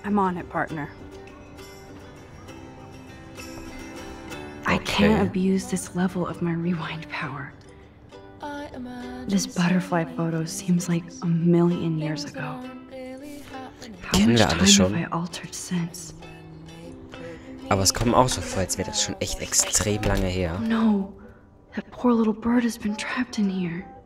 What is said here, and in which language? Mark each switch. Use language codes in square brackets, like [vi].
[en] I'm on it, partner. I can't abuse this level of my rewind power. This butterfly photo seems like a million years ago. How much time have I altered since? [de] Aber es kommt auch so vor, als wäre das schon echt extrem lange her. [en] No, that poor little bird has been trapped in here.